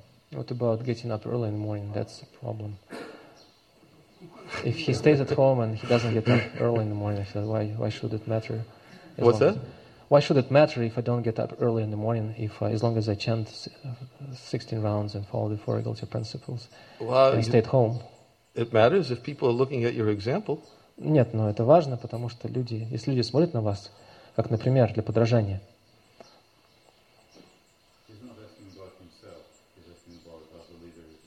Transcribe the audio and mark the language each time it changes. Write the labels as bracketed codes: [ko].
[en] What about getting up early in the morning? That's the problem. If he stays at home and he doesn't get up early in the morning, I said, why should it matter? What's that? Why should it matter if I don't get up early in the morning, if as long as I chant 16 rounds and follow the four regulative principles and stay at home? It matters if people are looking at your example. [ru] Нет, но это важно, потому что люди, если люди смотрят на вас, как, например, для подражания. [en] He's not asking about himself, he's asking about the leader.